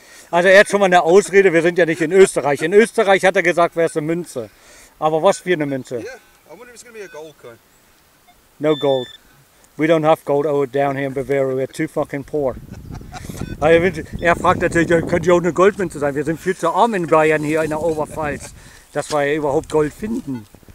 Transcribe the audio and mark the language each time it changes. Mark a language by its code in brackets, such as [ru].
[de] Also er hat schon mal eine Ausrede, wir sind ja nicht in Österreich. In Österreich hat er gesagt, wäre es eine Münze. Aber was für eine Münze? [en] Yeah, I wonder if it's going to be a gold coin. No gold. We don't have gold over down here in Bavaria, we're too fucking poor. [de] Er fragt natürlich, könnte ja auch eine Goldmünze sein. Wir sind viel zu arm in Bayern hier in der Oberpfalz, dass wir überhaupt Gold finden.